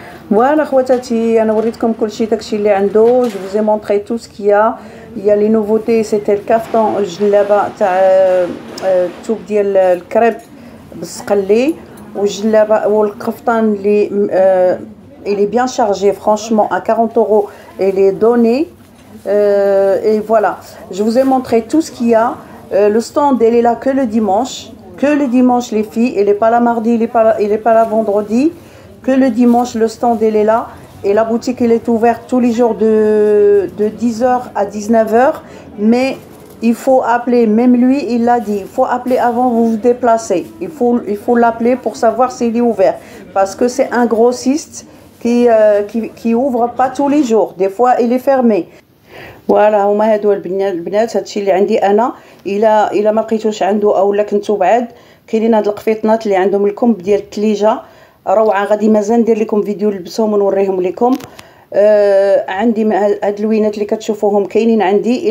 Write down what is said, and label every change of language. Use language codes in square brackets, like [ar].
[ar] فوالا خواتاتي انا وريتكم كلشي داكشي اللي عنده جو فوزي [fr] مونطري تو سكيا يا لي نوفوتي [ar] سيتي الكافطون الجلابه تاع التوب ديال الكريب بالسقلي والجلابه والقفطان اللي [fr] Il est bien chargé, franchement, à 40 euros, il est donné. Et voilà, je vous ai montré tout ce qu'il y a. Le stand, elle est là que le dimanche. Que le dimanche, les filles. Il n'est pas là mardi, il n'est pas là vendredi. Que le dimanche, le stand, elle est là. Et la boutique, elle est ouverte tous les jours de 10h à 19h. Mais il faut appeler, même lui, il l'a dit, il faut appeler avant vous vous déplacer. Il faut l'appeler pour savoir s'il est ouvert. Parce que c'est un grossiste qui ouvre pas tous les jours. Des fois, il est fermé. [ar] Voilà, هما هادو البنات, هادشي اللي عندي انا. الا ما لقيتوش عنده او لا كنتو بعد, كاينين هاد القفيطنات اللي عندهم الكم ديال التليجه روعه. غادي مازال ندير لكم فيديو نلبسهم ونوريهم لكم. عندي هاد اللوينات اللي كتشوفوهم كاينين عندي.